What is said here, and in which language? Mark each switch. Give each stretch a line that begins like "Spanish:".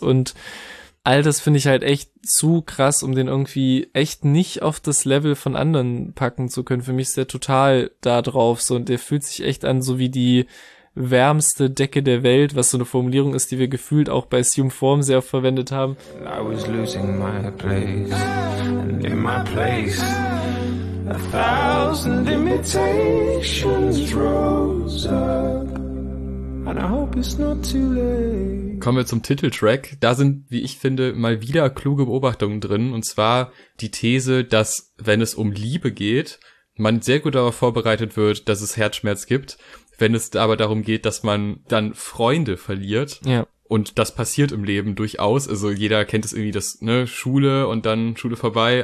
German: Und all das finde ich halt echt zu krass, um den irgendwie echt nicht auf das Level von anderen packen zu können. Für mich ist der total da drauf so und der fühlt sich echt an so wie die wärmste Decke der Welt, was so eine Formulierung ist, die wir gefühlt auch bei Assume Form sehr oft verwendet haben.
English: I was losing my place, and in my place a thousand imitations rose up, and I hope it's not too late.
German: Kommen wir zum Titeltrack. Da sind, wie ich finde, mal wieder kluge Beobachtungen drin. Und zwar die These, dass, wenn es um Liebe geht, man sehr gut darauf vorbereitet wird, dass es Herzschmerz gibt. Wenn es aber darum geht, dass man dann Freunde verliert. Ja. Und das passiert im Leben durchaus. Also jeder kennt es irgendwie, das, ne, Schule und dann Schule vorbei.